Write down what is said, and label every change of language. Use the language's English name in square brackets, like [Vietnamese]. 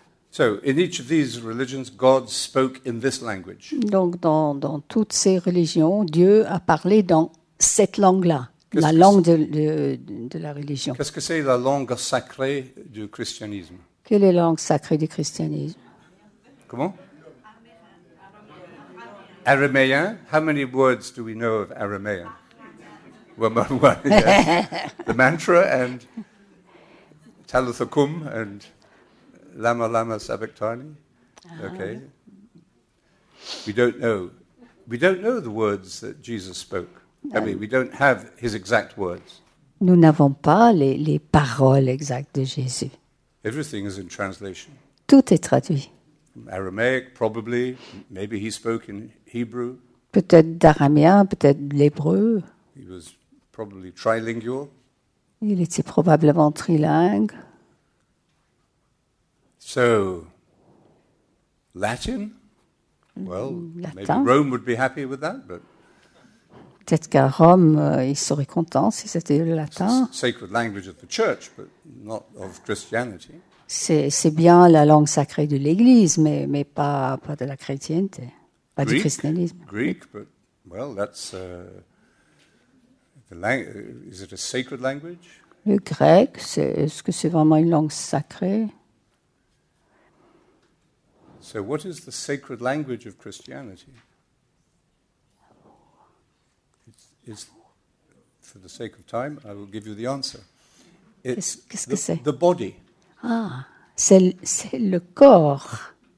[English] So, in each of these religions, God spoke in this language. [French] Donc, dans toutes ces religions, Dieu a parlé dans cette langue-là, la langue de la religion. Qu'est-ce que c'est la langue sacrée du christianisme? Quelle est la langue sacrée du christianisme? Comment? Araméen. [English] How many words do we know of Aramaic? The mantra and Talitha Kum and Lama Lama Sabachthani. Okay. We don't know the words that Jesus spoke. I mean, we don't have his exact words. [French] Nous n'avons pas les paroles exactes de Jésus. [English] Everything is in translation. [French] Tout est traduit. [English] Aramaic, probably. Maybe he spoke in Hebrew. [French] Peut-être d'araméen, peut-être l'hébreu. [English] He was probably trilingual. [French] Il était probablement trilingue. [English] So, Latin? Well, Latin. Maybe Rome would be happy with that, but [French] peut-être qu'à Rome, il serait content si c'était le latin. [English] Sacred language of the church, but not of Christianity. [French] C'est bien la langue sacrée de l'Église, mais pas de la chrétienté, pas [English] Greek, [French] du christianisme. [English] Greek, but well, that's is it a sacred language? [French] Le grec, est-ce que c'est vraiment une langue sacrée? [English] So what is the sacred language of Christianity? It's for the sake of time, I will give you the answer. [French] It's qu'est-ce que c'est? [English] The body. [French] Ah, c'est le corps.